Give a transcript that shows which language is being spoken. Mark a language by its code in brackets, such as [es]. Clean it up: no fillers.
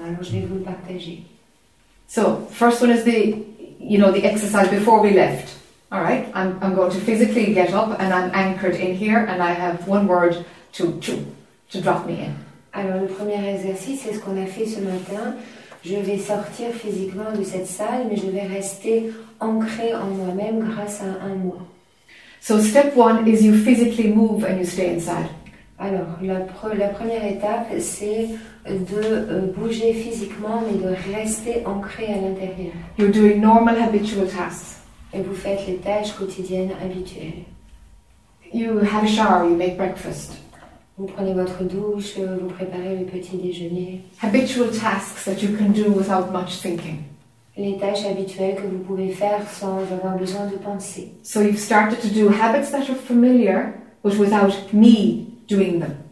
[fr] Alors je vais vous le partager. [en] So, first one is the exercise before we left. All right, I'm going to physically get up and I'm anchored in here and I have one word to drop me in. [fr] Alors le premier exercice, c'est ce qu'on a fait ce matin. Je vais sortir physiquement de cette salle, mais je vais rester ancrée en moi-même grâce à un mot. [en] So step one is you physically move and you stay inside. [fr] Alors, la première étape, c'est de bouger physiquement, mais de rester ancré à l'intérieur. [en] You're doing normal habitual tasks. [fr] Et vous faites les tâches quotidiennes habituelles. [en] You have a shower, you make breakfast. [fr] Vous prenez votre douche, vous préparez le petit déjeuner. [en] Habitual tasks that you can do without much thinking. [fr] Les tâches habituelles que vous pouvez faire sans avoir besoin de penser. [en] So you've started to do habits that are familiar, but without me doing them.